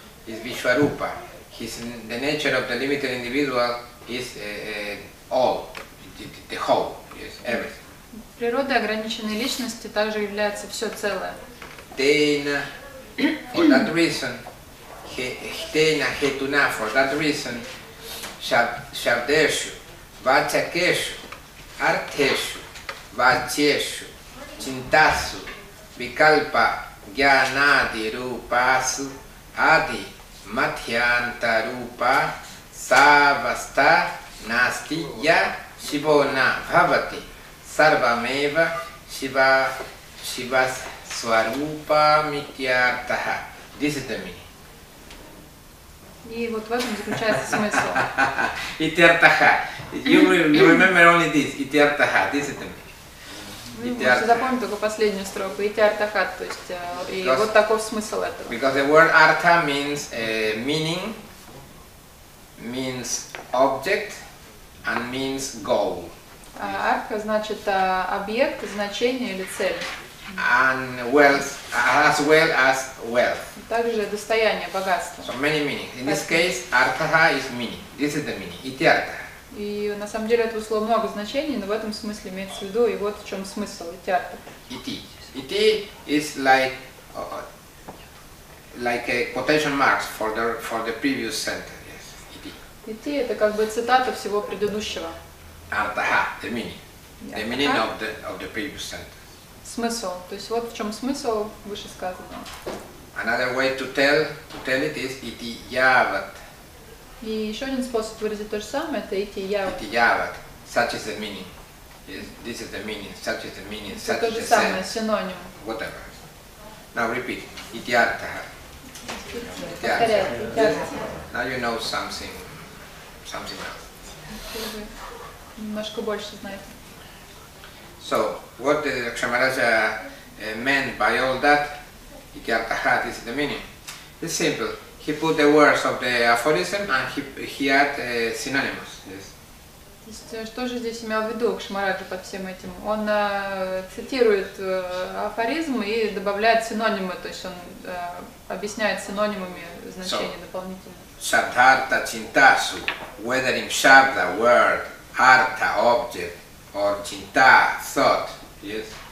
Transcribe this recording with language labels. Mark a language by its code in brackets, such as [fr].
[en] Is Vishwarupa, his the nature of the limited individual is all, the whole, yes, everything. [ru] Природа ограниченной личности также является все целое. [sa] Tena, for that reason, Tena, Hetuna, for that reason, Shabdeshu, Vachakeshu, Arteshu, Vachyeshu, Chintasu, Vikalpa, Gyanadi, Rupasu, Adi, Mathyanta, Rupa, Savasta, Nastiya, Shibona, Bhavati, Sarvameva Shiva Shivas Swarupa Mityartha. [en] This is the meaning. [ru] И вот в этом заключается смысл. [en] Итертаха. You remember only this. Итертаха. This is the meaning. [ru] Вы запомните только последнюю строку. Итертаха. То есть, [en] because, [ru] и вот таков смысл этого. [en] Because the word artha means meaning, means object, and means goal. [ru] А артха значит объект, значение или цель. [en] And wealth, as well as wealth. [ru] Также достояние, богатство. [en] So many meanings. In this case, artha is meaning. This is the meaning. Iti artha. [ru] И на самом деле это слово много значений, но в этом смысле имеется в виду, и вот в чем смысл. [sa] Iti artha. Iti. [en] Iti is like a quotation marks for the previous sentence. Yes. Iti. [ru] Iti это как бы цитата всего предыдущего. [en] Artha, the meaning. Yeah. The meaning of the previous sentence. [ru] Смысл. То есть вот в чем смысл вышесказанного. [en] Another way to tell it is iti yavat. [ru] И еще один способ выразить то же самое, это iti yavat. [en] Iti yavat. Such is the meaning. Yes, this is the meaning. Such is the meaning. Such [ru] это [en] is [ru] же [en] the [ru] самое, [en] sense. [ru] Синоним. [en] Whatever. Now repeat. Iti artaha. [sa] Iti artaha. [en] Now you know something else. [ru] Немножко больше знаете. [en] So, what did Kshamaraja meant by all that? Ityartaha, this is the meaning. It's simple. He put the words of the aphorism and he had synonyms. Yes. [ru] Что же здесь имел в виду Кшамараджа под всем этим? Он цитирует афоризм и добавляет синонимы, то есть он объясняет синонимами значение дополнительно. [en] Shabdhartha chintasu, whether in shabda, word, artha, object, or chinta, thought, yes.